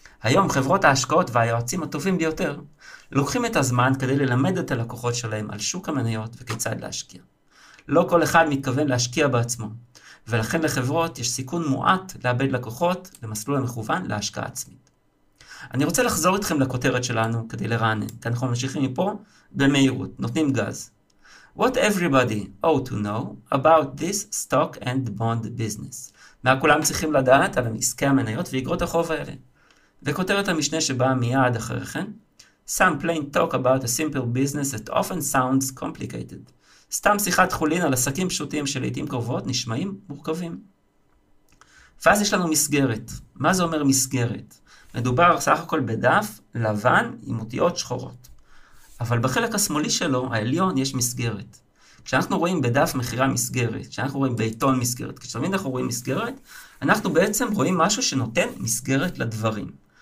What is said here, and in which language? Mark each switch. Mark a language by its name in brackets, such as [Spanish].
[Hebrew] היום חברות ההשקעות והיועצים הטובים ביותר לוקחים את הזמן כדי ללמד את הלקוחות שלהם על שוק המניות וכיצד להשקיע. לא כל אחד מתכוון להשקיע בעצמו, ולכן לחברות יש סיכון מועט לאבד לקוחות למסלול המכוון להשקעה עצמית. אני רוצה לחזור איתכם לכותרת שלנו כדי לרענן, כי אנחנו ממשיכים מפה במהירות, נותנים גז. [English] What everybody ought to know about this stock and bond business. [Hebrew] מה כולם צריכים לדעת על עסקי המניות ואגרות החוב האלה. וכותרת המשנה שבאה מיד אחרי כן. [English] Some plain talk about a simple business that often sounds complicated. [Hebrew] סתם שיחת חולין על עסקים פשוטים שלעיתים קרובות נשמעים מורכבים. ואז יש לנו מסגרת. מה זה אומר מסגרת? מדובר סך הכל בדף לבן עם אותיות שחורות. אבל בחלק השמאלי שלו, העליון, יש מסגרת. כשאנחנו רואים בדף מחירה מסגרת, כשאנחנו רואים בעיתון מסגרת, כשתמיד אנחנו רואים מסגרת, אנחנו בעצם רואים משהו שנותן מסגרת לדברים.